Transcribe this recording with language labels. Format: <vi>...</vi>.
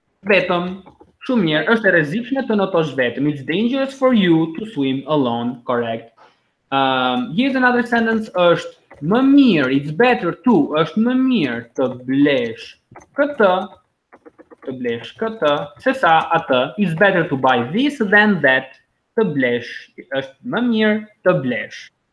<sq>Vetëm, shumë mirë, është e rrezikshme të notosh vetëm.</sq> <en>It's dangerous for you to swim alone, correct. Here's another sentence,</en> <sq>është më mirë,</sq> <en>it's better to,</en> <sq>është më mirë të blesh këtë, se sa atë,</sq> <en>it's better to buy this than that,</en> <sq>të blesh, është më mirë të blesh.</sq>